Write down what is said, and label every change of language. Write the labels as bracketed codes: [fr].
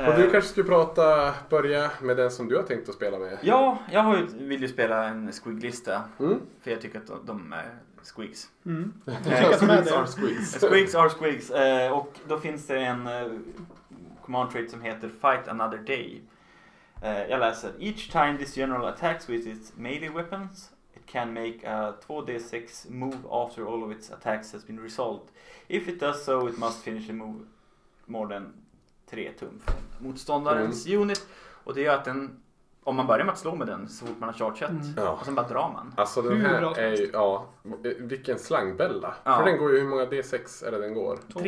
[sv] Och du kanske skulle börja med den som du har tänkt att spela med. Ja, jag vill ju spela en squigglista. Mm. För jag tycker att de är squigs. Mm. Jag tycker att de är squigs. [en] Squigs are squigs. [sv] Och då finns det en command trait som heter Fight Another Day. Jag läser. [en] Each time this general attacks with its melee weapons, it can make a 2d6 move after all of its attacks has been resolved. If it does so, it must finish a move more than 3 [sv] tum från motståndarens unit. Och det gör att den om man börjar med att slå med den så fort man har chargeat och sen bara drar man. Alltså den här är ju, vilken slangbella. Ja. För den går ju, hur många D6 är det den går?